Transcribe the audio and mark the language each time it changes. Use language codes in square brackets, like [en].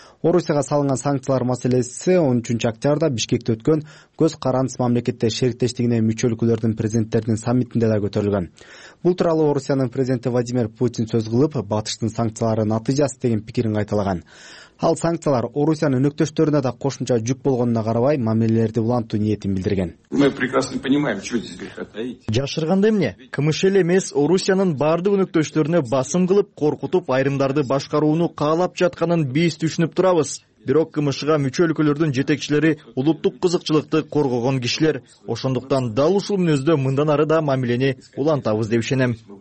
[ky] Орусияга салынган санкциялар маселеси 13 октябрда Бишкекте өткөн көз карандысыз мамлекеттер шериктештигине мүчө өлкөлөрдүн президенттеринин саммитинде да көтөрүлгөн. Бул тууралуу Орусиянын президенти Владимир Путин сөз кылып, батыштын санкциялары натыйжасыз деген пикирин кайталаган. Ал санкциялар Орусиянын өнөктөштөрүнө да кошумча жүк болгонуна карабай, мамилелерди улантуу ниетин билдирген. [ru] Мы прекрасно понимаем, что здесь происходит. [ky] Жашырганда эмне? КМШ эле эмес, Орусиянын бардык өнөктөштөрүнө басым кылып, коркутуп, айрымдарды башкарууну каалап жатканын биз түшүнүп турабыз. Бирок КМШ'га мүчө өлкөлөрдүн жетекчилери улуттук кызыкчылыкты коргогон кишилер. Ошондуктан дал ушул мүнөздө мындан ары да мамилени улантабыз деп ишенем.